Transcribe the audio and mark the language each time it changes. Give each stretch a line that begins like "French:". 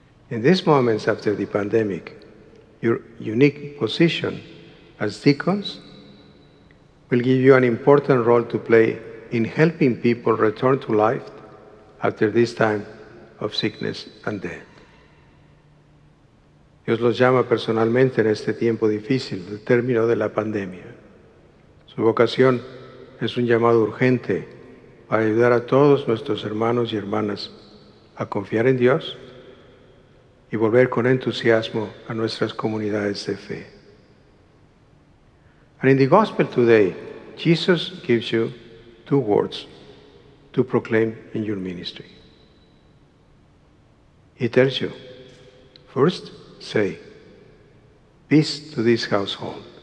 English: In these moments after the pandemic, your unique position as deacons will give you an important role to play in helping people return to life after this time of sickness and death.
Spanish: Dios los llama personalmente en este tiempo difícil, el término de la pandemia. Su vocación es un llamado urgente para ayudar a todos nuestros hermanos y hermanas a confiar en Dios y volver con entusiasmo a nuestras comunidades de fe.
English: And in the gospel today, Jesus gives you two words to proclaim in your ministry. He tells you, first, say, peace to this household.